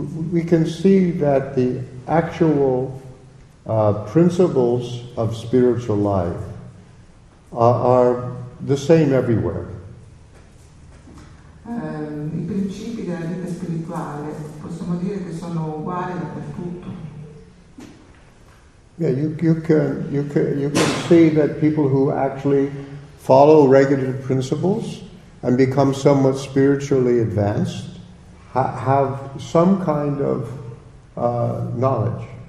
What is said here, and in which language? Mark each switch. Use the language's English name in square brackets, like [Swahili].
[English] We can see that the actual principles of spiritual life are the same everywhere. [Italian] I principi della vita spirituale possiamo dire che sono uguali dappertutto. [English] Yeah, you can see that people who actually follow regular principles and become somewhat spiritually advanced have some kind of knowledge.